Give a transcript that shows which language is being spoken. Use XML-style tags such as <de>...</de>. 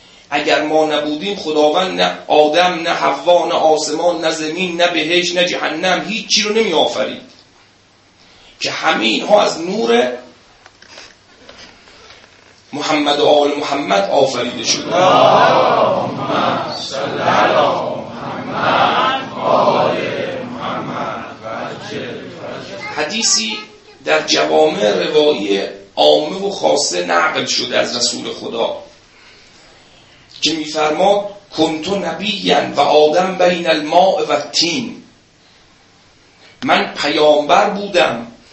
<fa>اگر ما نبودیم خداوند نه آدم نه حوا نه آسمان نه زمین نه بهشت نه جهنم هیچی رو نمی آفرید، که همه اینها از نور محمد و آل محمد آفریده شده.</fa> <ar>اللهم صل علی محمد آل محمد.</ar> <fa>حدیثی در جوامع روایی عامه و خاصه نقل شده از رسول خدا که می فرماد</fa> <ar>کنتو نبیین و آدم بین الماء و تین،</ar> <fa>من پیامبر بودم</fa>